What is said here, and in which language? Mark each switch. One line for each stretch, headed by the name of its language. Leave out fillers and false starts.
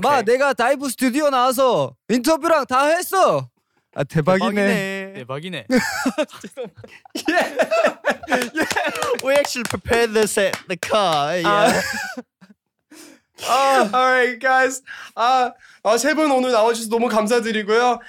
Korean: 마, 내가 다이브 스튜디오 나와서 인터뷰랑 다 했어. 아, 대박이네. 대박이네.
English: Yeah. Yeah. We actually prepared this at the car. Yeah. All right, guys.
Korean: 세 분 오늘 나와주셔서 너무 감사드리고요.